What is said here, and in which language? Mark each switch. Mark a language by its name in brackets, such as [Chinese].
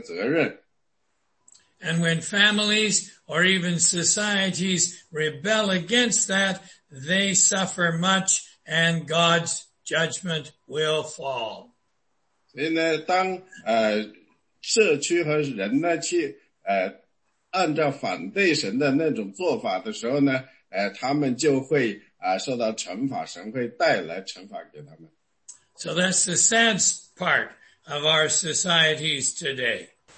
[Chinese] 而且是要一直去做奴隶，在奴隶里，在神安排他的那个角色里，去完成神要付给他的职责和责任。 [English] And when families or even societies rebel against that, they suffer much and God's judgment will fall. [Chinese] 所以呢，当社区和人呢去按照反对神的那种做法的时候呢， 他们就会受到惩罚，神会带来惩罚给他们。 [English] So that's the sad part of our societies today.